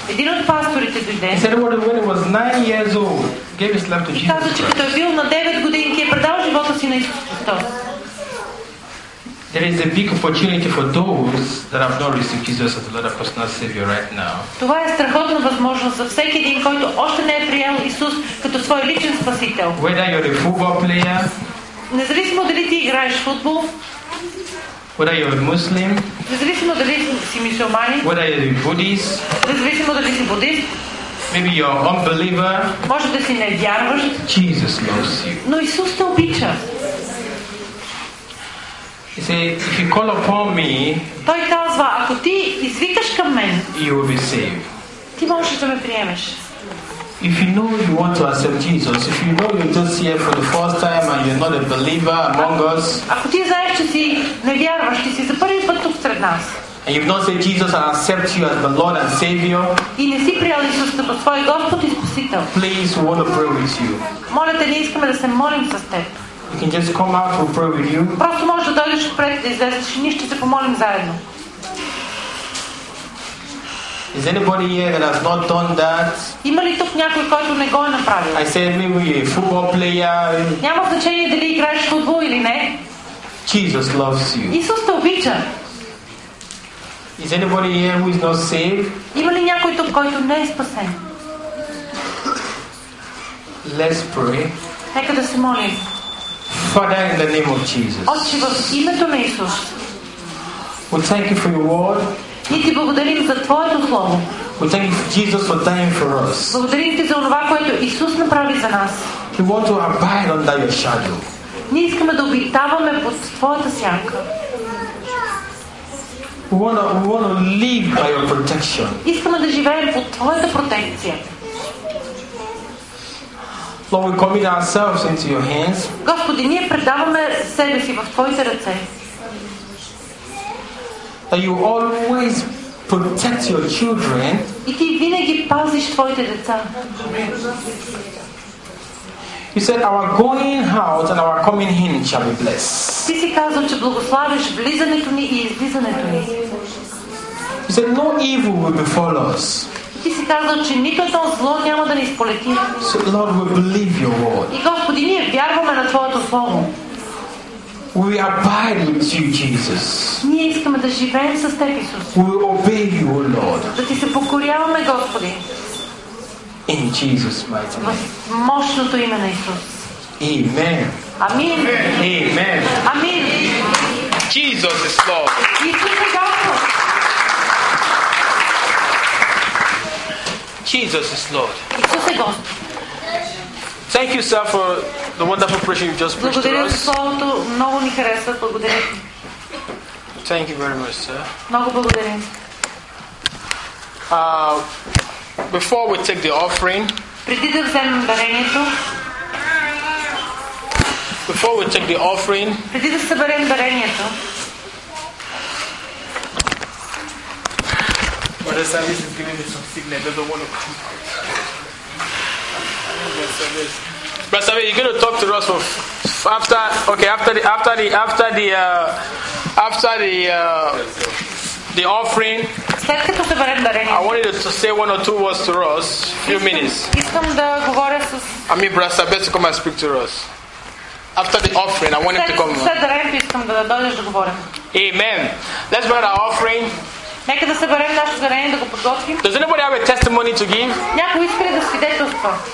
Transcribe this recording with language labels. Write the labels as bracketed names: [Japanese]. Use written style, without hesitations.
[Bulgarian] Един от пасторите дойде. [English] He said when he was 9 years old, gave his life to Jesus. [Bulgarian] Каза, че като е бил на 9 годинки, е предал живота си на Исус Христос. [English] There is a big opportunity for those that have not received Jesus as the Lord and personal Savior right now. [Bulgarian] Това е страхотна възможност за всеки един, който още не е приел Исус като свой личен спасител. [English] Whether you're a football player, [Bulgarian] независимо дали ти играеш футбол, [English] whether you're a Muslim, [Bulgarian] независимо дали си мюсюлманин, [English] whether you're a Buddhist, [Bulgarian] независимо дали си будист, [English] maybe you're an unbeliever, [Bulgarian] може да си невярваш, [English] Jesus loves you. [Bulgarian] Но Исус те обича. [English] He said, if you call upon me, [Bulgarian] той казва, ако ти извикаш към мен, [English] you will be saved. [Bulgarian] Ти можеш да ме приемеш. [English] If you know you want to accept Jesus, if you know you're just here for the first time and you're not a believer among us, [Bulgarian] ако ти знаеш, че си невярваш, ти си за първи път тук сред нас, [English] and you've not said Jesus and accept you as the Lord and Savior, [Bulgarian] и не си приял Исус като твой Господ и Спасител, [English] please, we want to pray with you. [Bulgarian] Моля те, ние искаме да се молим с теб. [English] You can just come out and pray with you. [Bulgarian] Просто може да дойдеш отпред да излезеш и ние ще се помолим заедно. [English] Is anybody here that has not done that? [Bulgarian] Има ли тук някой, който не го е направил? [English] I said, maybe a football player. [Bulgarian] Няма значение дали играеш футбол или не. [English] Jesus loves you. [Bulgarian] Исус те обича. [English] Is anybody here who is not saved? [Bulgarian] Има ли някой тук, който не е спасен? [English] Let's pray. [Bulgarian] Нека да се молим. [English] Father, in the name of Jesus, [Bulgarian] Отче, в името на Исус, [English] we thank you for your word. [Bulgarian] Ние ти благодарим за Твоето Слово. [English] We thank you, Jesus, for dying for us. [Bulgarian] Благодарим ти за това, което Исус направи за нас. [English] We want to abide under your shadow. [Bulgarian] Ние искаме да обитаваме под Твоята сянка. [English] We want to live by your protection. [Bulgarian] Искаме да живеем под Твоята протекция. [English] Lord, we commit ourselves into your hands. [Bulgarian] Господи, ние предаваме себе си в Твоите ръце. [English] that you always protect your children. [Bulgarian] И ти винаги пазиш твоите деца. [English] He said, our going out and our coming in shall be blessed. [Bulgarian] Ти си казал, че благославиш влизането ни и излизането ни. [English] He said, no evil will befall us. [Bulgarian] Ти си казал, че никото зло няма да ни сполети. [English] So, Lord, we believe your word. [Bulgarian] И Господи, ние вярваме на Твоето слово. [English] We abide with you, Jesus. [Bulgarian] Ние искаме да живеем с Теб, Исус. [English] We obey you, O Lord. [Bulgarian] Да ти се покоряваме, Господи. [English] In Jesus' mighty name. [Bulgarian] В мощното име на Исус. [English] Amen. [Bulgarian] Амин. [English] Amen. [Bulgarian] Амин. [English] Jesus is Lord. [Bulgarian] Исус е Господ. [English] Jesus is Lord. [Bulgarian] Исус е Господ. [English] Thank you, sir, for the wonderful preaching you just preached to us. [Bulgarian] Благодаря за словото, много ми харесва. Благодаря. [English] Thank you very much, sir. [Bulgarian] Много благодарен. [English] Before we take the offering, [Bulgarian] преди да вземем дарението, [English] before we take the offering, [Bulgarian] преди да съберем дарението, [English] what the service is giving me some signal, doesn't want to come out. Brother Savi, you're going to talk to us for after the offering. [Bulgarian] След като съберем дарението. [English] I wanted to say one or two words to us, few minutes. [Bulgarian] Искам да говоря с. [English] Ами, Brother Savi, to come and speak to us. After the offering, I want him to come. [Bulgarian] След дарението искам да дойдеш да говорим. [English] Amen. Let's bring our offering. [Bulgarian] Нека да съберем нашето дарение да го подготвим. [English] Does anybody have a testimony to give? [Bulgarian] Някой иска ли да свидетелства?